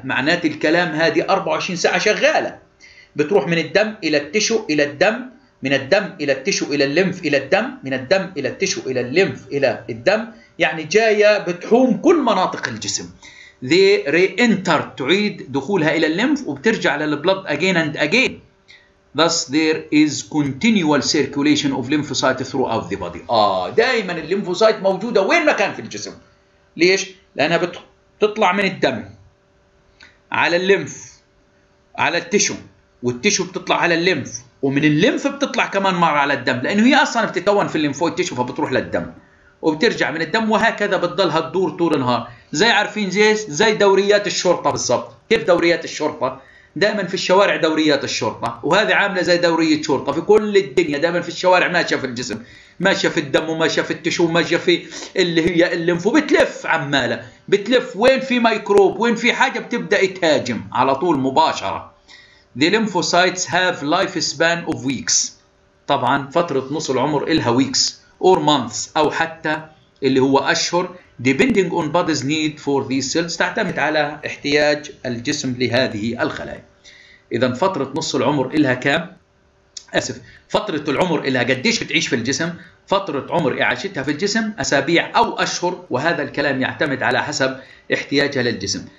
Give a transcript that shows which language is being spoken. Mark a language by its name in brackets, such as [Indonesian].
[Arabic] معنات الكلام هذه 24 ساعة شغالة، بتروح من الدم إلى التشو إلى الدم، من الدم إلى التشو إلى الليمف إلى الدم، من الدم إلى التشو إلى الليمف إلى الدم. يعني جاية بتحوم كل مناطق الجسم. [English] They re-enter، [Arabic] تعيد دخولها إلى الليمف وبترجع للبلد [English] again and again. Thus, there is continual circulation of lymphocytes throughout the body. [Arabic] دائما الليمفوسايت موجودة وين ما كان في الجسم. ليش؟ لأنها بتطلع من الدم على الليمف على التشو، والتشو بتطلع على الليمف، ومن الليمف بتطلع كمان مرة على الدم، لأنه هي أصلا بتتكون في الليمفويد تشو فبتروح للدم وبترجع من الدم، وهكذا بتضلها تدور طول النهار. زي عارفين جيش زي دوريات الشرطة بالضبط. كيف دوريات الشرطة؟ دائما في الشوارع دوريات الشرطة، وهذه عاملة زي دورية شرطة في كل الدنيا، دائما في الشوارع ماشية في الجسم، ماشية في الدم، وماشية في التشو، وماشية في اللي هي الليمفو، بتلف عمالة بتلف وين في ميكروب، وين في حاجة بتبدأ تهاجم على طول مباشرة. [English] The lymphocytes have life span of weeks. [Arabic] طبعا فترة نص العمر إلها [English] weeks or months [Arabic] أو حتى اللي هو أشهر [English] depending on body's need for these cells، [Arabic] تعتمد على احتياج الجسم لهذه الخلايا. إذا فترة نص العمر إلها كام؟ أسف، فترة العمر إلها قديش بتعيش في الجسم؟ فترة عمر إعاشتها في الجسم أسابيع أو أشهر، وهذا الكلام يعتمد على حسب احتياجها للجسم.